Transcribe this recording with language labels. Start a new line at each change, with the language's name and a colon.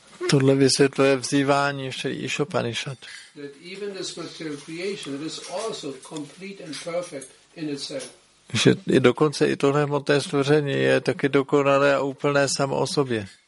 Czech: Tohle vysvětluje vzývání ještě Ishopanishad.
English: That even this material creation is also complete and perfect in itself.
Czech: Že i dokonce i tohle hmotné stvoření je taky dokonalé a úplné samo o sobě.